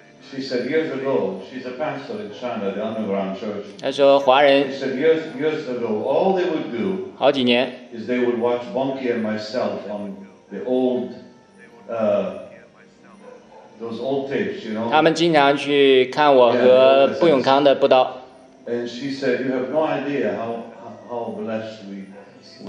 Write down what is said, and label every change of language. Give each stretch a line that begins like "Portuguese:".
English: She said years ago, she's a pastor in China, the underground church.
Chinese: 她说华人,
English: she said years ago, all they would do
Chinese: 好几年,
English: is they would watch Bunky and myself on the old, those old tapes, you know.
Chinese: 他们经常去看我和布永康的布道。
English: And she said, you have no idea how blessed we are.